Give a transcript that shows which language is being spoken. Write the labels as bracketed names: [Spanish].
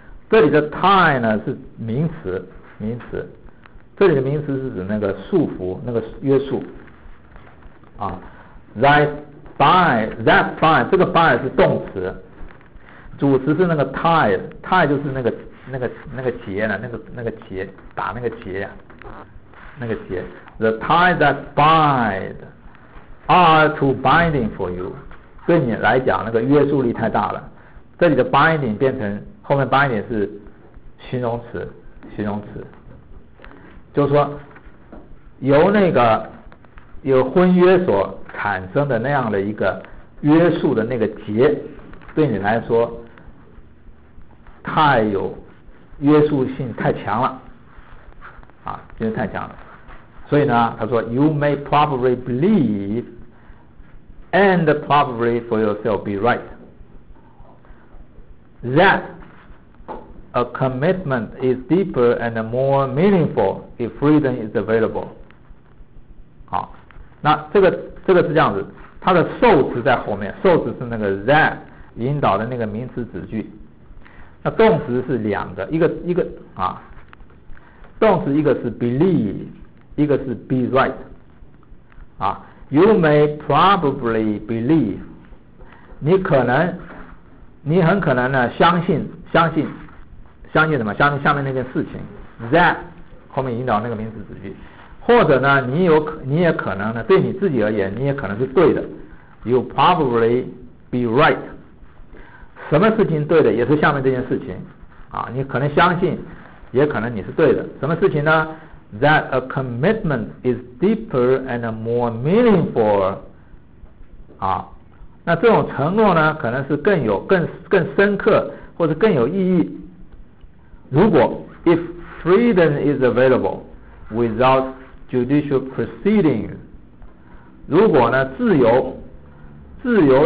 [Chinese] 这里的 tie 呢是名词，名词。这里的名词是指那个束缚，那个约束。啊 ， [English] that bind [Chinese] 这个 bind 是动词，主词是那个 tie 就是那个结了，那个结，打那个结呀、啊，那个结。 [English] The tie that bind are too binding for you， [Chinese] 对你来讲那个约束力太大了。这里的 binding 变成后面 binding 是形容词，形容词。就是说由那个有婚约所产生的那样的一个约束的那个结对你来说太有约束性太强了啊，因为太强了，所以呢他说 [English] You may probably believe and probably for yourself be right thatA commitment is deeper and more meaningful if freedom is available. [Chinese] 好，那这个是这样子，它的受词在后面，受词是那个 that 引导的那个名词子句。那动词是两个，一个啊，动词一个是 believe， 一个是 be right。 [English] 啊 ，You may probably believe， [Chinese] 你很可能呢相信。相信什么？相信下面那件事情 ，that 后面引导那个名词子句，或者呢，你也可能呢，对你自己而言，你也可能是对的 ， [English] you probably be right。 [Chinese] 什么事情对的，也是下面这件事情，啊，你可能相信，也可能你是对的。什么事情呢 [English] ？That a commitment is deeper and more meaningful。 [Chinese] 啊，那这种承诺呢，可能是更深刻，或者更有意义。 [English] 如果 if freedom is available without judicial proceeding， [Chinese] 如果呢自由是